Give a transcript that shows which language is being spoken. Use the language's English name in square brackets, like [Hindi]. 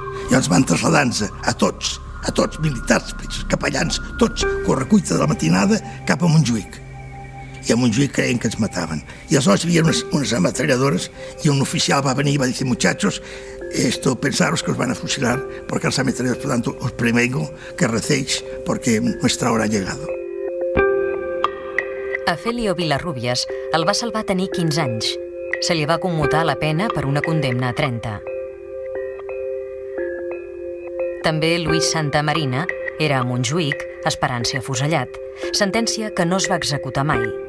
[Catalan] I els van traslladant a tots, militars, capellans, tots, correcuita de la matinada, cap a Montjuïc. I a Montjuïc creien que ens mataven. I aleshores hi havia unes ametralladores i un oficial va venir i va dir, [Spanish] muchachos, esto, pensaros que os van a fusilar porque las ametralladores, por tanto, os prevengo que recéis porque nuestra hora ha llegado. [Catalan] A Félio Vilarrubias el va salvar tenir 15 anys. Se li va commutar la pena per una condemna a 30. També Lluís Santa Marina era a Montjuïc esperant ser afusellat, sentència que no es va executar mai.